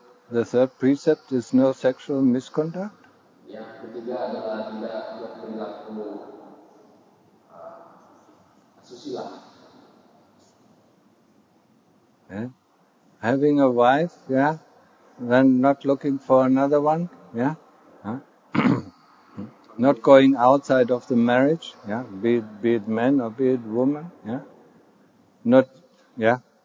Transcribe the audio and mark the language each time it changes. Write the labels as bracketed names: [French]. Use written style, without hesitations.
[English] The third precept is no sexual misconduct. [Indonesian] Yang ketiga adalah tidak berperilaku asusila. [English] Yeah. Having a wife, yeah, then not looking for another one, yeah, huh? Not going outside of the marriage, yeah, be it man or be it woman, yeah, not, yeah.